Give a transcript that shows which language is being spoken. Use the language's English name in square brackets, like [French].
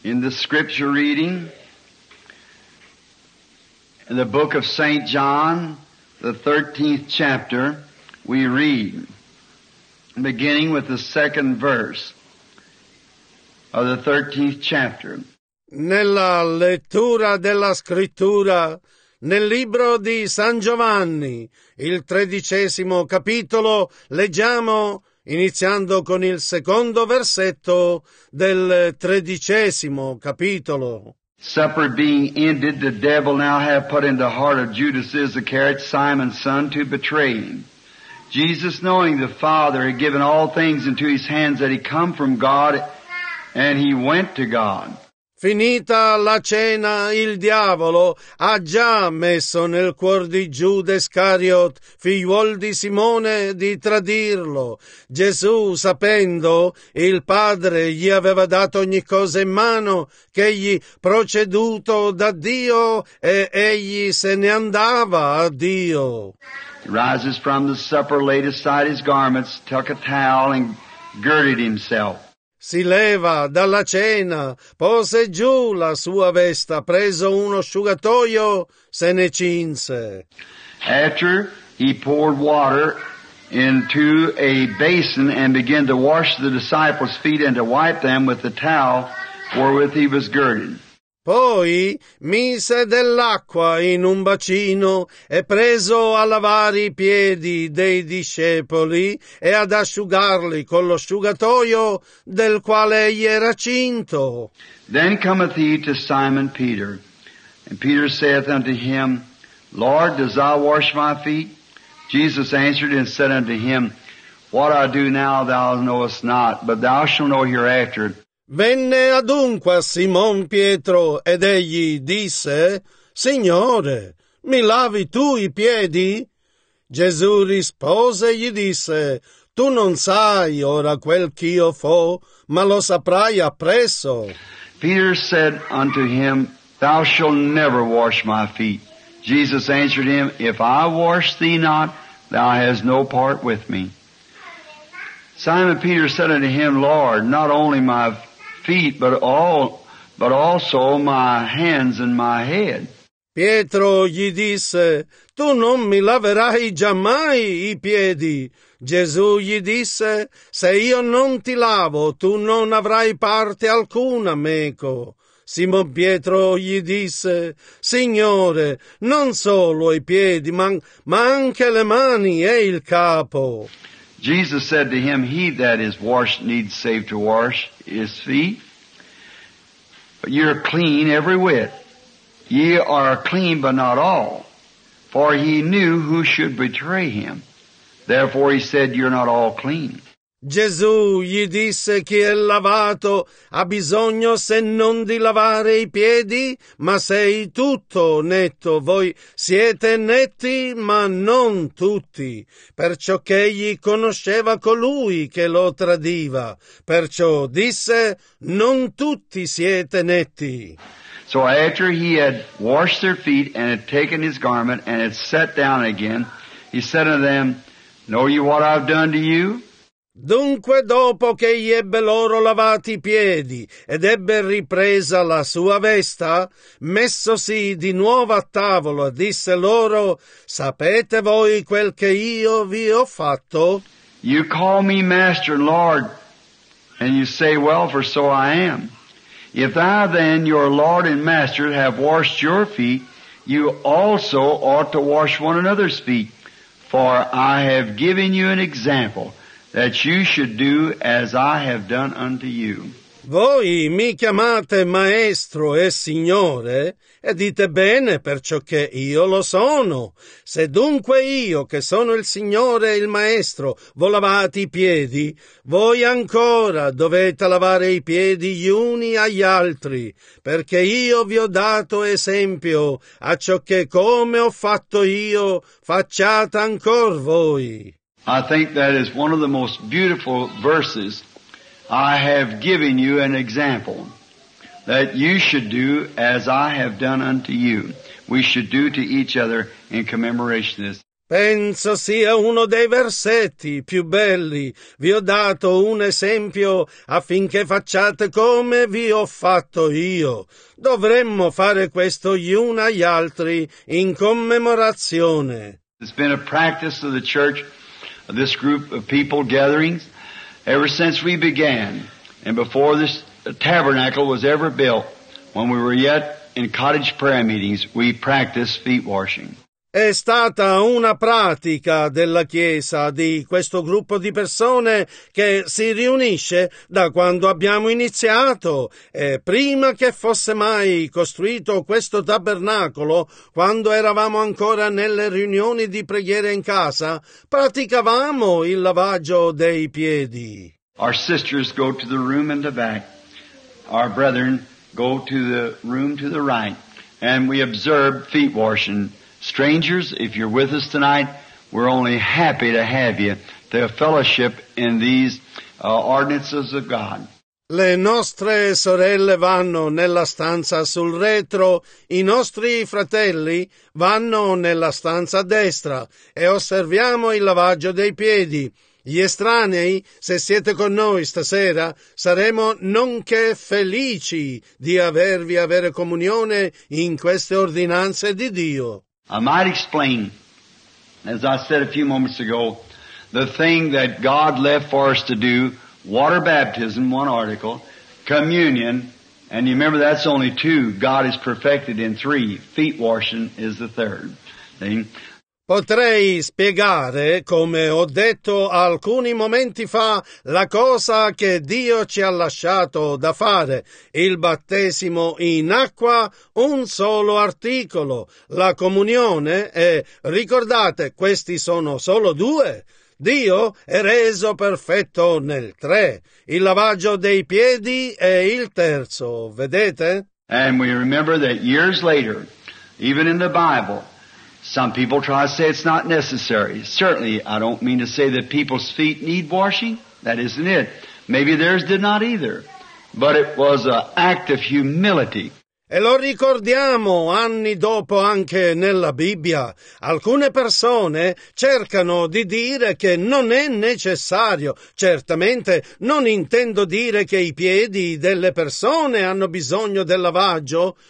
[English] Scripture reading in the book of St. John, the 13th chapter, we read, beginning with the second verse of the 13th chapter. [Italian] Nella lettura della scrittura, nel libro di San Giovanni, il 13° capitolo, leggiamo, iniziando con il secondo versetto del 13° capitolo. [English] Supper being ended, the devil now hath put in the heart of Judas Iscariot, Simon's son, to betray him. Jesus, knowing the Father, had given all things into his hands, that he come from God, and he went to God. [Italian] Finita la cena, il diavolo ha già messo nel cuor di Giuda Iscariot, figliuol di Simone, di tradirlo. Gesù, sapendo il Padre gli aveva dato ogni cosa in mano, che egli proceduto da Dio, e egli se ne andava a Dio. [English] He rises from the supper, laid aside his garments, took a towel and girded himself. [Italian] Si leva dalla cena, pose giù la sua veste, preso uno asciugatoio, se ne cinse. [English] After he poured water into a basin and began to wash the disciples' feet and to wipe them with the towel wherewith he was girded. [Italian] Poi mise dell'acqua in un bacino e preso a lavare i piedi dei discepoli e ad asciugarli con lo asciugatoio del quale egli era cinto. [English] Then cometh he to Simon Peter, and Peter saith unto him, Lord, dost thou wash my feet? Jesus answered and said unto him, What I do now thou knowest not, but thou shalt know hereafter. [Italian] Venne adunque a Simon Pietro, ed egli disse, Signore, mi lavi tu i piedi? Gesù rispose e gli disse, Tu non sai ora quel ch'io fo, ma lo saprai appresso. [English] Peter said unto him, Thou shalt never wash my feet. Jesus answered him, If I wash thee not, thou hast no part with me. Simon Peter said unto him, Lord, not only my feet, but also my hands and my head. [Italian] Pietro gli disse, Tu non mi laverai giammai i piedi. Gesù gli disse, Se io non ti lavo, tu non avrai parte alcuna meco. Simon Pietro gli disse, Signore, non solo i piedi, ma anche le mani e il capo. [English] Jesus said to him, He that is washed needs save to wash his feet. But ye are clean every whit. Ye are clean, but not all. For he knew who should betray him. Therefore he said, You are not all clean. [Italian] Gesù gli disse: chi è lavato ha bisogno se non di lavare i piedi, ma sei tutto netto. Voi siete netti, ma non tutti. Perciò che egli conosceva colui che lo tradiva. Perciò disse: non tutti siete netti. [English] So after he had washed their feet and had taken his garment and had sat down again, he said to them, know you what I've done to you? [Italian] Dunque, dopo che egli ebbe loro lavati i piedi ed ebbe ripresa la sua vesta, messosi di nuovo a tavola, disse loro: sapete voi quel che io vi ho fatto? [English] You call me Master and Lord, and you say, well, for so I am. If thou then, your Lord and Master, have washed your feet, you also ought to wash one another's feet. For I have given you an example, that you should do as I have done unto you. [Italian] Voi mi chiamate maestro e signore, e dite bene, perciò che io lo sono. Se dunque io, che sono il signore e il maestro, v'ho lavati i piedi, voi ancora dovete lavare i piedi gli uni agli altri, perché io vi ho dato esempio a ciò che come ho fatto io, facciate ancor voi. [English] I think that is one of the most beautiful verses. I have given you an example that you should do as I have done unto you. We should do to each other in commemoration of this. [Italian] Penso sia uno dei versetti più belli. Vi ho dato un esempio affinché facciate come vi ho fatto io. Dovremmo fare questo gli uni agli altri in commemorazione. [English] It's been a practice of the church, this group of people gatherings, ever since we began, and before this tabernacle was ever built, when we were yet in cottage prayer meetings, we practiced feet washing. [Italian] È stata una pratica della Chiesa, di questo gruppo di persone che si riunisce da quando abbiamo iniziato, e prima che fosse mai costruito questo tabernacolo, quando eravamo ancora nelle riunioni di preghiera in casa, praticavamo il lavaggio dei piedi. [English] Our sisters go to the room in the back, our brethren go to the room to the right, and we observe feet washing. Strangers, if you're with us tonight, we're only happy to have you to fellowship in these ordinances of God. [Italian] Le nostre sorelle vanno nella stanza sul retro, i nostri fratelli vanno nella stanza a destra e osserviamo il lavaggio dei piedi. Gli estranei, se siete con noi stasera, saremo nonché felici di avervi avere comunione in queste ordinanze di Dio. [English] I might explain, as I said a few moments ago, the thing that God left for us to do, water baptism, one article, communion, and you remember that's only two, God is perfected in three, feet washing is the third thing. [Italian] Potrei spiegare, come ho detto alcuni momenti fa, la cosa che Dio ci ha lasciato da fare, il battesimo in acqua, un solo articolo, la comunione, e ricordate, questi sono solo due. Dio è reso perfetto nel tre, il lavaggio dei piedi è il terzo, vedete? [English] And we remember that years later, even in the Bible, some people try to say it's not necessary. Certainly, I don't mean to say that people's feet need washing. That isn't it. Maybe theirs did not either. But it was an act of humility. [Italian] E lo ricordiamo anni dopo anche nella Bibbia. Alcune persone cercano di dire che non è necessario. Certamente non intendo dire che i piedi delle persone hanno bisogno del lavaggio.